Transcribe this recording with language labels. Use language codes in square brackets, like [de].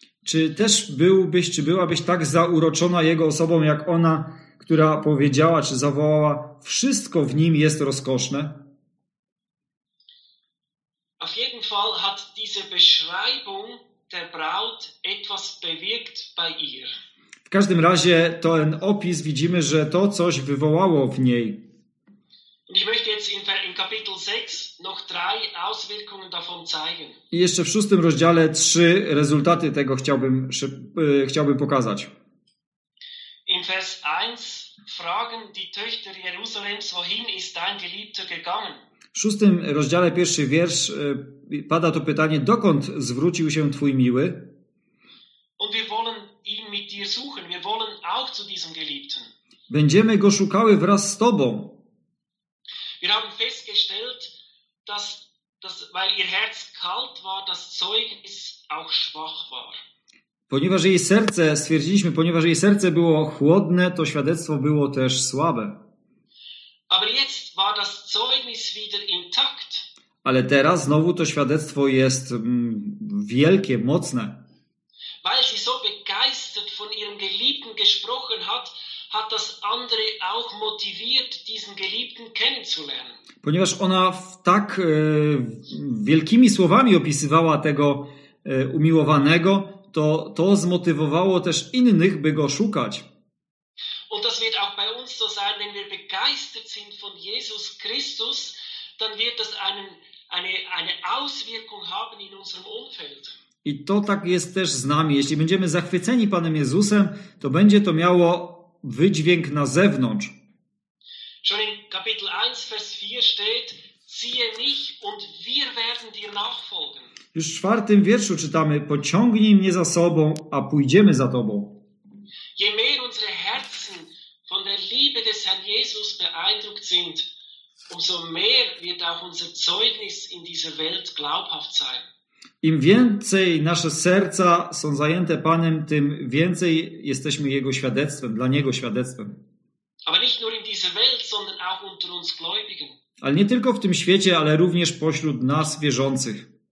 [pl] Czy też byłbyś, czy byłabyś tak zauroczona jego osobą, jak ona, która powiedziała, czy zawołała, wszystko w nim jest rozkoszne? [de] Auf jeden Fall hat diese Beschreibung der Braut etwas bewirkt bei ihr. [pl] W każdym razie ten opis widzimy, że to coś wywołało w niej. [de] Ich möchte jetzt in Kapitel 6 noch drei Auswirkungen davon zeigen. [pl] I jeszcze w szóstym rozdziale trzy rezultaty tego chciałbym pokazać. [de] In Vers 1 fragen die Töchter Jerusalems, wohin ist dein Geliebter gegangen? [pl] W szóstym rozdziale pierwszy wiersz pada to pytanie, dokąd zwrócił się twój miły? [de] Und wir wollen ihn mit dir suchen. Wir wollen auch zu diesem Geliebten. [pl] Będziemy go szukały wraz z tobą. [de] Wir haben festgestellt, dass weil ihr Herz kalt war, das Zeugnis auch schwach war. [pl] Ponieważ jej serce, stwierdziliśmy, ponieważ jej serce było chłodne, to świadectwo było też słabe. [de] Aber jetzt war das Zeugnis wieder intakt. [pl] Ale teraz znowu to świadectwo jest wielkie, mocne. [de] Weil sie so begeistert von ihrem Geliebten gesprochen hat, hat das andere auch motiviert, diesen Geliebten kennenzulernen. [pl] Ponieważ ona tak wielkimi słowami opisywała tego umiłowanego, to zmotywowało też innych, by go szukać. [de] Und das wird auch bei uns so sein, wenn wir begeistert sind von Jesus Christus, dann wird das eine Auswirkung haben in unserem Umfeld. [pl] I to tak jest też z nami. Jeśli będziemy zachwyceni Panem Jezusem, to będzie to miało wydźwięk na zewnątrz. [de] Schon in Kapitel 1, Vers 4 steht, ziehe mich und wir werden dir nachfolgen. [pl] Już w 4 wierszu czytamy, pociągnij mnie za sobą, a pójdziemy za tobą. [de] Je mehr unsere Herzen von der Liebe des Herrn Jesus beeindruckt sind, umso mehr wird auch unser Zeugnis in dieser Welt glaubhaft sein. [pl] Im więcej nasze serca są zajęte Panem, tym więcej jesteśmy Jego świadectwem, dla Niego świadectwem. [de] Aber nicht nur in dieser Welt, sondern auch unter uns Gläubigen. [pl] Ale nie tylko w tym świecie, ale również pośród nas wierzących.